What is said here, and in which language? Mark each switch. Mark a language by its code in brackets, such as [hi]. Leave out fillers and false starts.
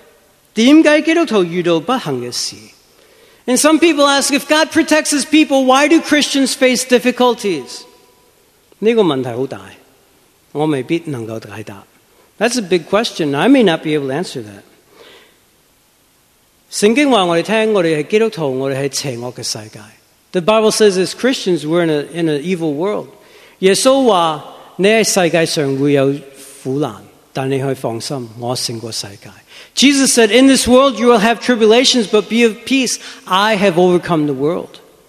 [zh] 有人问,如果神保护他儿女,为什么基督徒遇到不幸的事? [en] And some people ask, if God protects his people, why do Christians face difficulties? [zh] 这个问题很大,我未必能够解答。 [en] That's a big question. I may not be able to answer that. [zh] 圣经说我们听,我们是基督徒,我们是邪恶的世界。 [en] The Bible says as Christians, we're in an evil world. [zh] 耶稣说,你在世界上会有苦难,但你可以放心,我胜过世界。 [en] Jesus said, in this world you will have tribulations, but be of peace, I have overcome the world.